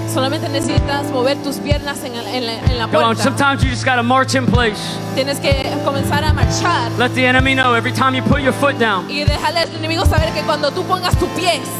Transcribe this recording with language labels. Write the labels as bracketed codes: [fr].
[es] Solamente necesitas mover tus piernas en la puerta. [en] Come on, sometimes you just gotta march in place. [es] Tienes que comenzar a marchar. [en] Let the enemy know every time you put your foot down. [es] Y dejarle al enemigo saber que cuando tú pongas tus pies,